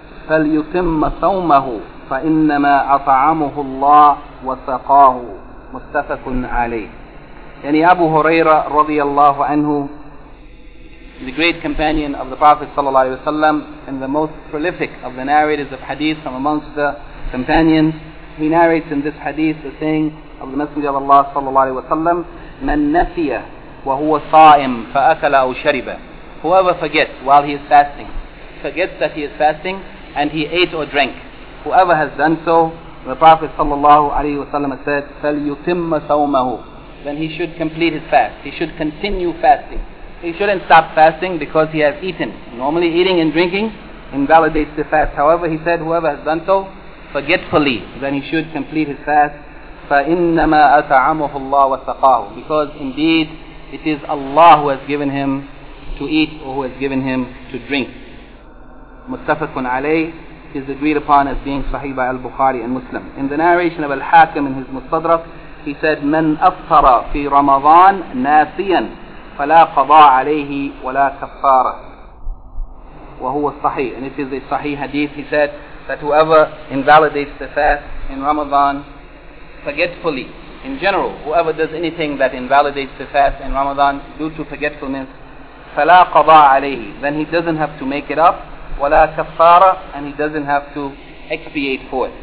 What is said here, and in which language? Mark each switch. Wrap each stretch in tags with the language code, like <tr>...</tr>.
<ar>فليتم صومه فإنما أطعمه الله وسقاه متفق عليه.</ar> <en>يعني أبو هريرة رضي الله عنه, the great companion of the Prophet صلى الله عليه وسلم and the most prolific of the narrators of hadith from amongst the companions, he narrates in this hadith the saying of the Messenger of Allah صلى الله عليه وسلم,</en> <ar>من نسي وهو صائم فأكل أو شرب.</ar> <en>Whoever forgets while he is fasting, forgets that he is fasting, and he ate or drank, whoever has done so, the Prophet sallallahu alaihi wasallam said,</en> <ar>فَلْيُتِمَّ صَوْمَهُ,</ar> <en>then he should complete his fast. He should continue fasting. He shouldn't stop fasting because he has eaten. Normally eating and drinking invalidates the fast. However, he said, whoever has done so forgetfully, then he should complete his fast.</en> <ar>فَإِنَّمَا أَطْعَمَهُ اللَّهُ وَسَقَاهُ,</ar> <en>because indeed it is Allah who has given him to eat or who has given him to drink. Muttafaqun alayh is agreed upon as being sahih by al-Bukhari and Muslim. In the narration of al-Hakim in his Mustadrak, he said,</en> <ar>من أفطر في رمضان ناسيا فلا قضاء عليه ولا كفارة وهو الصحيح.</ar> <en>And it is a sahih hadith. He said that whoever invalidates the fast in Ramadan forgetfully, in general, whoever does anything that invalidates the fast in Ramadan due to forgetfulness,</en> <ar>فلا قضاء عليه,</ar> <en>then he doesn't have to make it up,</en> <ar>وَلَا كَفَّارَ,</ar> <en>and he doesn't have to expiate for it.</en>